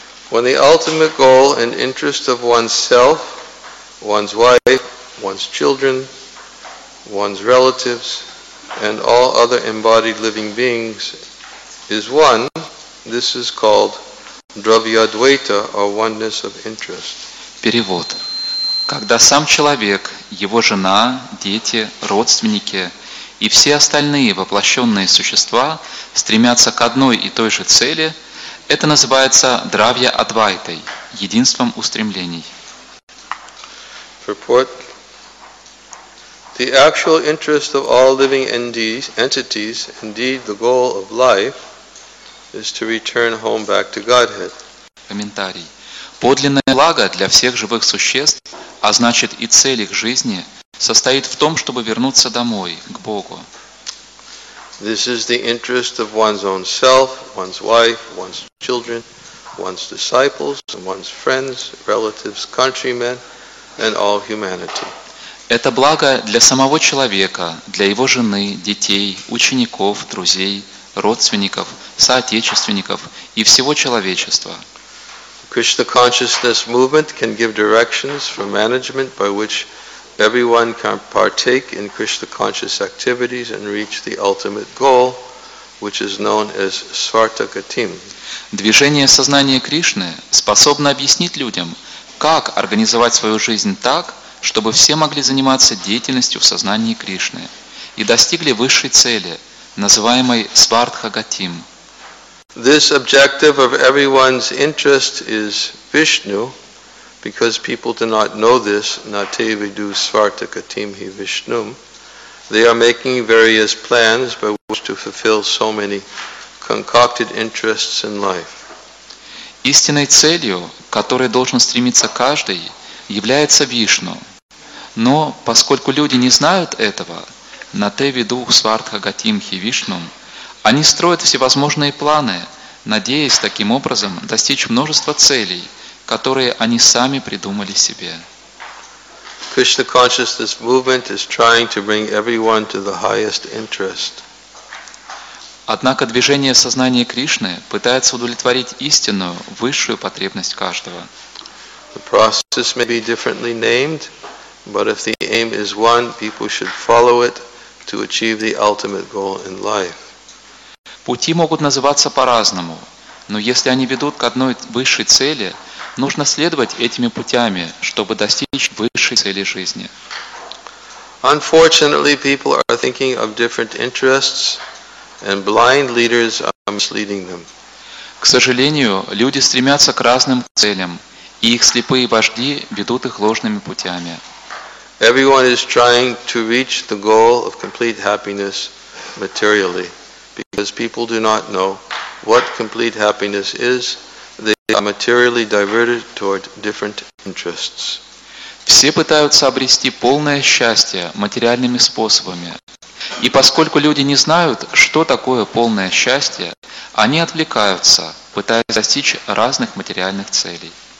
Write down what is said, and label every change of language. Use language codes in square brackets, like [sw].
[en] When the ultimate goal and interest of oneself, one's wife, one's children, one's relatives, and all other embodied living beings is one, this is called Dravyadvaita, or oneness of interest. [ru] Перевод. Когда сам человек, его жена, дети, родственники и все остальные воплощенные существа стремятся к одной и той же цели, это называется Дравья-адвайтой, единством устремлений. [en] Purport. The actual interest of all living entities, indeed the goal of life, is to return home back to Godhead. [ru] Комментарий. Подлинное благо для всех живых существ, а значит и цель их жизни, состоит в том, чтобы вернуться домой, к Богу. [en] This is the interest of one's own self, one's wife, one's children, one's disciples, one's friends, relatives, countrymen, and all humanity. [ru] Это благо для самого человека, для его жены, детей, учеников, друзей, родственников, соотечественников и всего человечества. [en] Krishna consciousness movement can give directions for management by which everyone can partake in Krishna conscious activities and reach the ultimate goal, which is known as Svartha Gatim. [ru] Движение сознания Кришны способно объяснить людям, как организовать свою жизнь так, чтобы все могли заниматься деятельностью в сознании Кришны и достигли высшей цели, называемой Svartha Gatim. [en] This objective of everyone's interest is Vishnu, because people do not know this, [sa] nate vidu svartha gatim hi Vishnum. [en] They are making various plans by which to fulfill so many concocted interests in life. [ru] Истинной целью, к которой должен стремиться каждый, является Вишну. Но поскольку люди не знают этого, [sa] нате виду свартха гатим хи Вишнум, [ru] они строят всевозможные планы, надеясь таким образом достичь множества целей, которые они сами придумали себе. [en] Krishna consciousness movement is trying to bring everyone to the highest interest. [ru] Однако движение сознания Кришны пытается удовлетворить истинную, высшую потребность каждого. [en] The process may be differently named, but if the aim is one, people should follow it to achieve the ultimate goal in life. [ru] Пути могут называться по-разному, но если они ведут к одной высшей цели, нужно следовать этими путями, чтобы достичь высшей цели жизни. [en] Unfortunately, people are thinking of different interests, and blind leaders are misleading them. [ru] К сожалению, люди стремятся к разным целям, и их слепые вожди ведут их ложными путями. [en] Everyone is trying to reach the goal of complete happiness materially. Because people do not know what complete happiness is, they are materially diverted toward different interests. [ru] Все пытаются обрести полное счастье материальными способами. И поскольку люди не знают, что такое полное счастье, они отвлекаются, пытаясь достичь разных материальных целей.